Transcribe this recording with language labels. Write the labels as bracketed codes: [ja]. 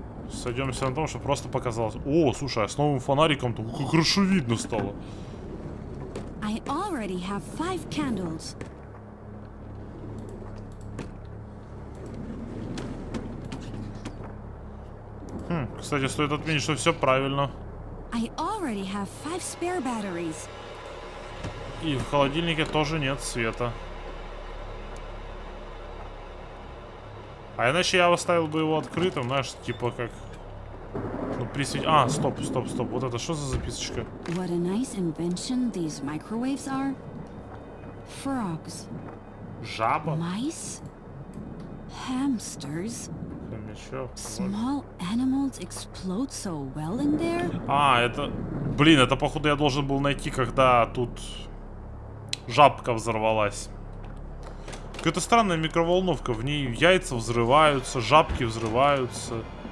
[ru] Сойдемся на том, что просто показалось. О, слушай, а с новым фонариком-то как хорошо видно стало. [en] I already have 5 candles. [ru] Хм, кстати, стоит отметить, что все правильно. [en] I already have 5 spare batteries. [ru] И в холодильнике тоже нет света. А иначе я оставил бы его открытым, знаешь, типа как... Ну, при свете... А, стоп, стоп, стоп. Вот это что за записочка? [en] What a nice invention these microwaves are. Frogs. [ru] Жаба? [en] Mice? Hamsters? [ru] Хомячок. [en] Small animals explode so well in there? [ru] А, это... Блин, это походу я должен был найти, когда тут... Жабка взорвалась. Какая-то странная микроволновка. В ней яйца взрываются, жабки взрываются.